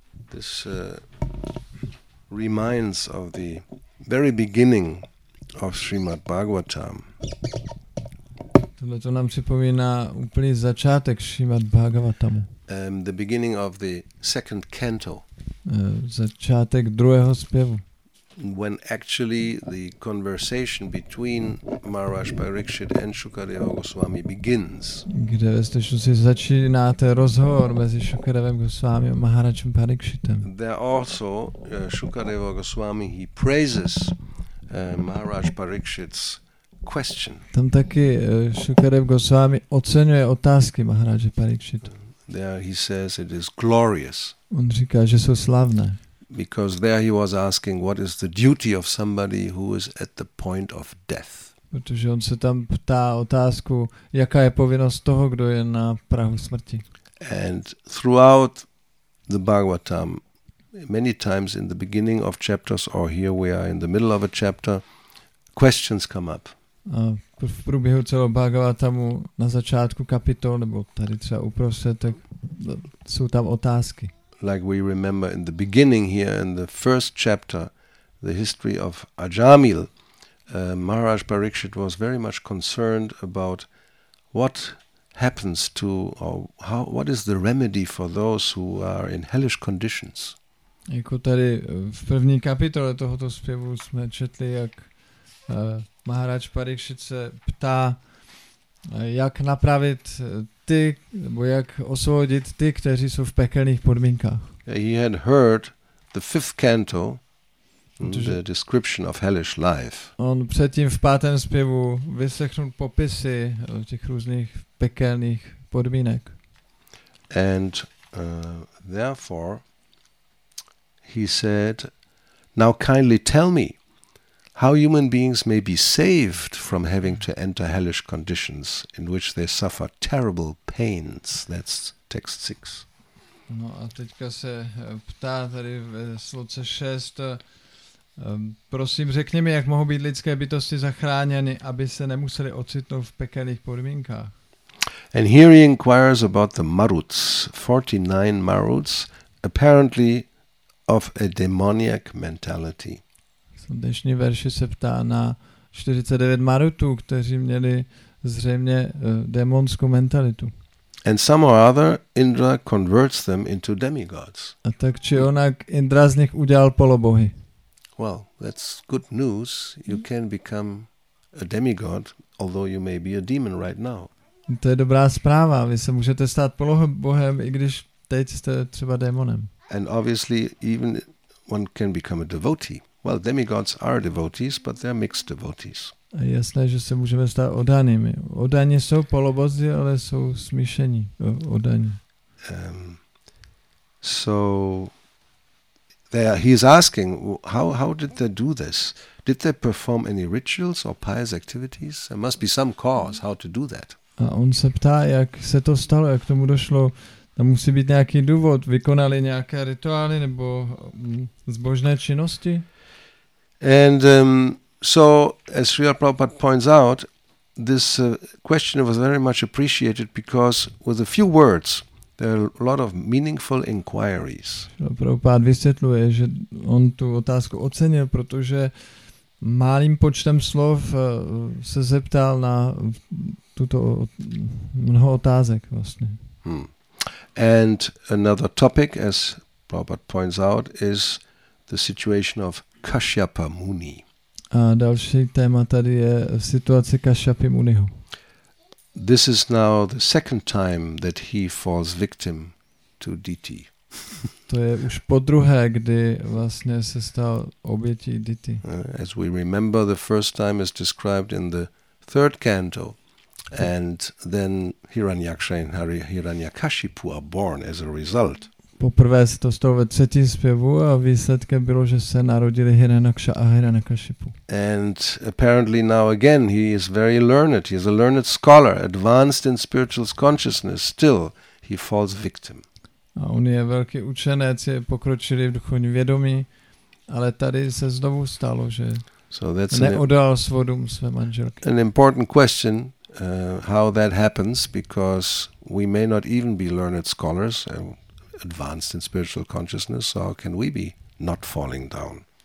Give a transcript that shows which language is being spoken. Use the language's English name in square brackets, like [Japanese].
[English] This reminds of the very beginning of Srimad Bhagavatam. [Czech] Tohle to nám připomíná úplný začátek Srimad Bhagavatamu. [English] The beginning of the second canto. [Czech] Začátek druhého zpěvu. [English] When actually the conversation between Maharaj Parikshit and Shukadeva Goswami begins. [Czech] Kde ve skutečnosti začínáte rozhovor mezi Shukadevem Goswami a Maharajem Parikshitem. [English] There also Shukadeva Goswami he praises Maharaj Parikshit's question. [Czech] Tam taky Shukadev Goswami oceňuje otázky Maharaje Parikshita. [English] There he says it is glorious. [Czech] On říká, že jsou slavné. [English] Because there he was asking what is the duty of somebody who is at the point of death. [Czech] Protože on se tam ptá otázku, jaká je povinnost toho, kdo je na prahu smrti. [English] And throughout the Bhagavatam, many times in the beginning of chapters or here we are in the middle of a chapter, questions come up. [Czech] A v průběhu celého Bhagavatamu na začátku kapitol nebo tady třeba uprostřed, tak jsou tam otázky. [English] Like we remember in the beginning here in the first chapter, the history of Ajamil, Maharaj Parikshit was very much concerned about what happens to, or how, what is the remedy for those who are in hellish conditions. [Czech] Jako tady v první kapitole tohoto zpěvu jsme četli, jak Maharaj Parikshit se ptá, jak napravit ty, nebo jak osvobodit ty, kteří jsou v pekelných podmínkách. [English] He had heard the fifth canto, the description of hellish life. [Czech] On předtím v pátém zpěvu vyslechnul popisy těch různých pekelných podmínek. [English] And therefore he said, now kindly tell me how human beings may be saved from having to enter hellish conditions in which they suffer terrible pains. That's text 6. [Czech] No a teďka se ptá tady v sloce 6. Prosím, řekni mi, jak mohou být lidské bytosti zachráněny, aby se nemuseli ocitnout v pekelných podmínkách. [English] And here he inquires about the Maruts, 49 Maruts, apparently of a demoniac mentality. [Czech] Dnešní verši se ptá na 49 marutů, kteří měli zřejmě démonskou mentalitu. [English] And some or other Indra converts them into demigods. [Czech] A tak či onak Indra z nich udělal polobohy. [English] Well, that's good news. You can become a demigod, although you may be a demon right now. [Czech] To je dobrá zpráva. Vy se můžete stát polobohem, i když teď jste třeba démonem. [English] And obviously even one can become a devotee. Well, demigods are devotees, but they're mixed devotees. [Czech] A jasné, že se můžeme stát oddanými. Oddaní jsou polobozy, ale jsou smíšení oddaní. [English] So they are, he's asking, how did they do this? Did they perform any rituals or pious activities? There must be some cause how to do that. [Czech] A on se ptá, jak se to stalo, jak tomu došlo. Tam musí být nějaký důvod, vykonali nějaké rituály nebo zbožné činnosti. [English] And so as Srila Prabhupada points out, this question was very much appreciated because with a few words there are a lot of meaningful inquiries. [Czech] Srila Prabhupada vysvětluje, že on tu otázku ocenil, protože malým počtem slov se zeptal na tuto mnoho otázek vlastně. Hmm. [English] And another topic, as Prabhupada points out, is the situation of Kashyapa Muni. [Czech] A další téma tady je situace Kashyapy Muniho. [English] This is now the second time that he falls victim to Diti. [Czech] To je už podruhé, kdy vlastně se stal obětí Diti. [English] As we remember, the first time is described in the third canto. And then Hiranyaksha and Hiranyakashipu are born as a result. [Czech] Poprvé se to stalo ve třetím zpěvu a výsledkem bylo, že se narodili Hiranyaksha a Hiranyakashipu. [English] And apparently now again he is very learned. He is a learned scholar, advanced in spiritual consciousness. Still he falls victim. [Czech] A on je velký učenec, je pokročilý v duchovní vědomí, ale tady se znovu stalo, že [English] so that's [Czech] neodolal svodům své manželky. [English] An important question. How that happens, because we may not even be learned scholars and advanced in spiritual consciousness, so can we be not falling down?